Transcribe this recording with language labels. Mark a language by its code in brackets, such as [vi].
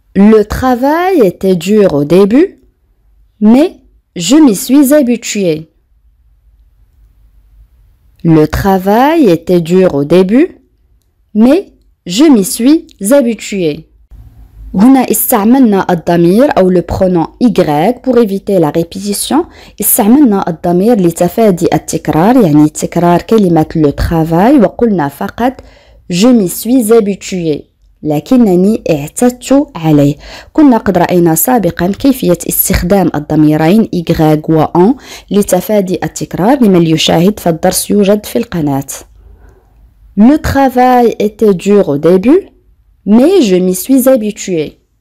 [fr] Le travail était dur au début, mais je m'y suis habitué. Le travail était dur au début, mais je m'y suis habitué. [ar] هنا استعملنا الضمير أو البرونون [fr] Y pour éviter la répétition. [ar] استعملنا الضمير لتفادي التكرار يعني تكرار كلمة le travail وقلنا فقط [fr] je m'y suis habitué. [ar] لكنني اعتدت عليه. كنا قد رأينا سابقا كيفية استخدام الضميرين Y و أن لتفادي التكرار لمن يشاهد فالدرس يوجد في القناة. [fr] Le travail était dur au début, mais je m'y suis habitué.